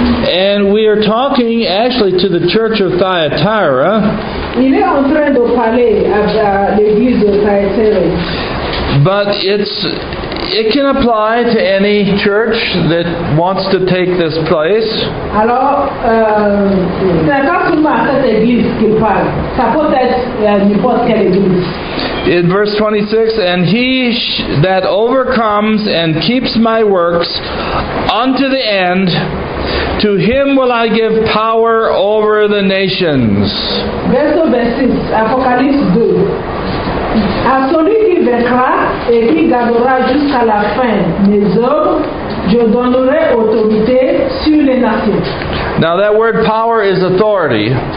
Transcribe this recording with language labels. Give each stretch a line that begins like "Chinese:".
English: And we are talking actually to the church of Thyatira.
French: Il est en train de parler à l'église de Thyatira.
English: But it can apply to any church that wants to take this place.
French: Alors, c'est pas seulement cette église qu'il parle. Ça peut être n'importe quelle église.
English: In verse 26, and he that overcomes and keeps my works unto the end, to him will I give power over the nations.
French: Verse 26, Apocalypse 2. À celui qui vaincra et qui gardera jusqu'à la fin mes œuvres, je donnerai autorité sur les nations.
English: Now that word power is authority.